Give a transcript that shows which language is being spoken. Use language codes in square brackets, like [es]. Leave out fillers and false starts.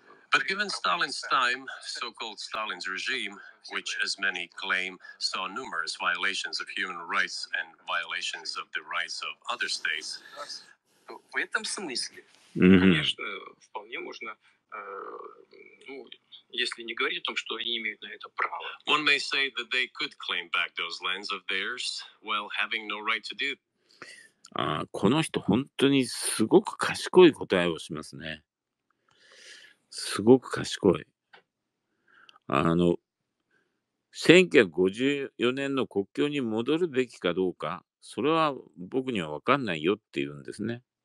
[en] But given Stalin's time, so-called Stalin's regime, which as many claim saw numerous violations of human rights and violations of the rights of other states. [ru] В этом смысле, конечно, вполне можно, ну, если не говорить о том, что они имеют на это право. [en] One may say that they could claim back those lands of theirs while having no right to do it. [ja] あ、この人本当にすごく賢い答えをしますね。すごく賢い。あの、1954年の国境に戻るべきかどうか、それは僕には分かんないよって言うんですね。